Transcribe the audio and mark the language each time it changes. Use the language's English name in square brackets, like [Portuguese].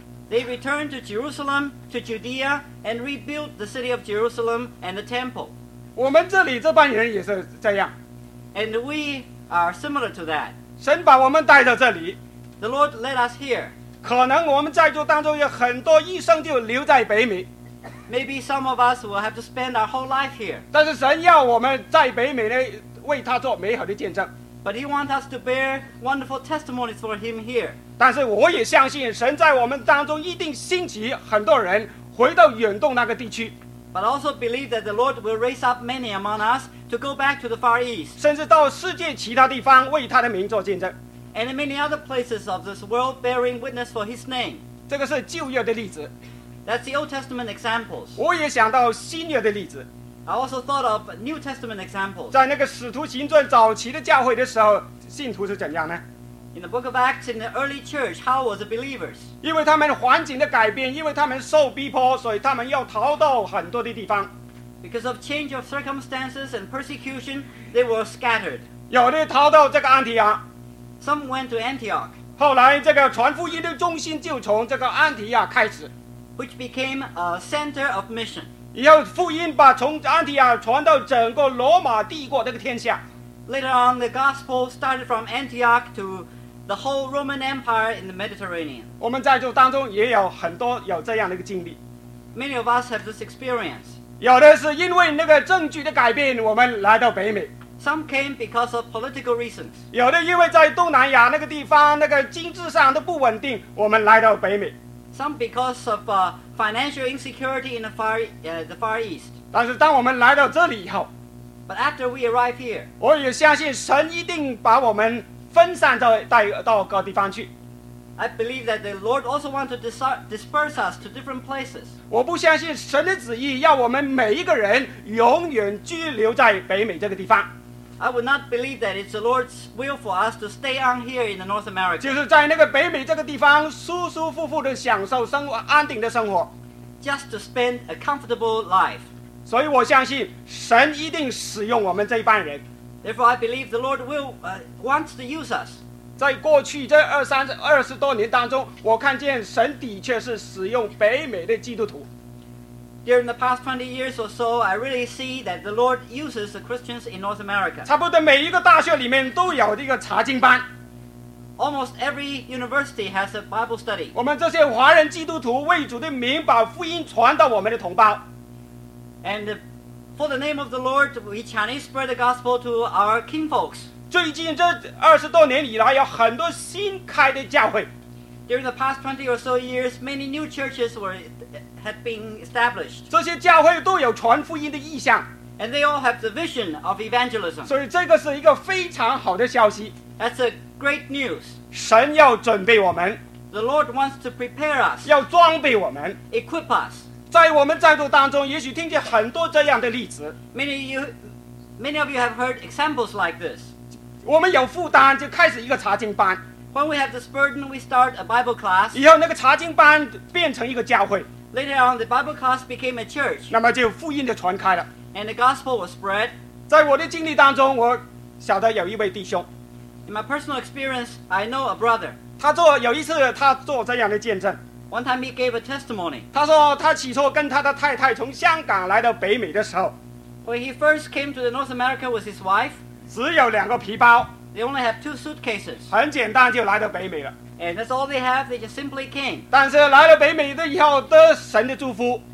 [English] They returned to Jerusalem, to Judea, and rebuilt the city of Jerusalem and the temple. [Chinese] 我们这里这帮人也是这样。 [English] And we are similar to that. [Chinese] 神把我们带到这里。 [English] The Lord led us here. [Chinese] 可能我们在座当中有很多一生就留在北美。 [English] Maybe some of us will have to spend our whole life here. [Chinese] 但是神要我们在北美呢，为他做美好的见证。 [English] But he wants us to bear wonderful testimonies for him here. [Chinese] 但是我也相信神在我们当中一定兴起很多人回到远东那个地区。 [English] But I also believe that the Lord will raise up many among us to go back to the Far East. [Chinese] 甚至到世界其他地方为他的名做见证。 [English] And in many other places of this world bearing witness for his name. [Chinese] 这个是旧约的例子。 [English] That's the Old Testament examples. [Chinese] 我也想到新约的例子。 [English] I also thought of New Testament examples. [Chinese] 在那个使徒行传早期的教会的时候，信徒是怎样呢？ [English] In the book of Acts, in the early church, how were the believers? [Chinese] 因为他们环境的改变，因为他们受逼迫，所以他们要逃到很多的地方。 [English] Because of change of circumstances and persecution, they were scattered. [Chinese] 有的逃到这个安提阿。 [English] Some went to Antioch. [Chinese] 后来这个传福音的中心就从这个安提阿开始。 [English] Which became a center of mission. [Chinese] 以后福音把从安提阿传到整个罗马帝国这个天下。 [English] Later on, the gospel started from Antioch to the whole Roman Empire in the Mediterranean. [Chinese] 我们在座当中也有很多有这样的一个经历。 [English] Many of us have this experience. [Chinese] 有的是因为那个政局的改变，我们来到北美。 [English] Some came because of political reasons. [Chinese] 有的因为在东南亚那个地方那个经济上都不稳定，我们来到北美。 [English] Some because of financial insecurity in the Far East. [Chinese] 但是当我们来到这里以后， [English] But after we arrive here, [Chinese] 我也相信神一定把我们分散到各地方去。 [English] I believe that the Lord also wants to disperse us to different places. [Chinese] 我不相信神的旨意要我们每一个人永远居留在北美这个地方。 [English] I would not believe that it's the Lord's will for us to stay on here in the North America. [Chinese] 就是在那个北美这个地方舒舒服服地享受生活，安定的生活。 [English] Just to spend a comfortable life. [Chinese] 所以我相信神一定使用我们这一帮人。 [English] Therefore, I believe the Lord will wants to use us. [Chinese] 在过去这二十多年当中，我看见神的确是使用北美的基督徒。 [English] During the past 20 years or so, I really see that the Lord uses the Christians in North America. [Chinese] 差不多每一个大学里面都有一个查经班。 [English] Almost every university has a Bible study. [Chinese] 我们这些华人基督徒为主的名把福音传到我们的同胞。 [English] And for the name of the Lord, we Chinese spread the gospel to our kinfolks. [Chinese] 最近这二十多年以来，有很多新开的教会。 [English] During the past 20 or so years, many new churches had been established. [Chinese] 这些教会都有传福音的意向。 [English] And they all have the vision of evangelism. [Chinese] 所以这个是一个非常好的消息。 [English] That's a great news. [Chinese] 神要准备我们。 [English] The Lord wants to prepare us. [Chinese] 要装备我们。 [English] Equip us. [Chinese] 在我们在座当中也许听见很多这样的例子。 [English] Many of you have heard examples like this. [Chinese] 我们有负担就开始一个查经班。 [English] When we have this burden, we start a Bible class. [Chinese] 以后那个查经班变成一个教会。 [English] Later on, the Bible class became a church. [Chinese] 那么就福音就传开了。 [English] And the gospel was spread. [Chinese] 在我的经历当中，我晓得有一位弟兄。 [English] In my personal experience, I know a brother. [Chinese] 有一次他做这样的见证。 [English] One time he gave a testimony. [Chinese] 他说他起初跟他的太太从香港来到北美的时候。 [English] When he first came to the North America with his wife. [Chinese] 只有两个皮包。 [English] They only have two suitcases. [Chinese] 很简单就来到北美了。 [English] And that's all they have, they just simply came. [Chinese] 但是来了北美的以后得神的祝福。